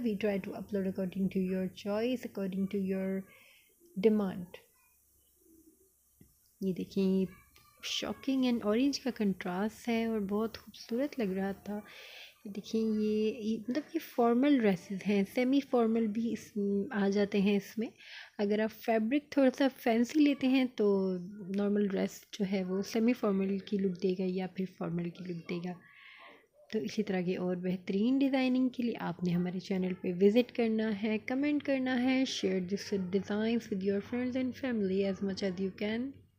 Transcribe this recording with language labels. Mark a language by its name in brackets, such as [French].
[English] We try to upload according to your choice, according to your demand. [Urdu] یہ دیکھیں, shocking and orange کا contrast ہے اور بہت خوبصورت لگ رہا تھا. دیکھیں یہ مطلب یہ فارمل ڈریسز ہیں, سیمی فارمل بھی اس آ جاتے ہیں اس میں. اگر آپ فیبرک تھوڑا سا فینسی لیتے ہیں تو نارمل ڈریس جو ہے وہ سیمی فارمل کی لک دے گا یا پھر فارمل کی لک دے گا. تو اسی طرح کے اور بہترین ڈیزائننگ کے لیے آپ نے ہمارے چینل پہ وزٹ کرنا ہے, کمنٹ کرنا ہے, [English] Share this designs with your friends and family as much as you can.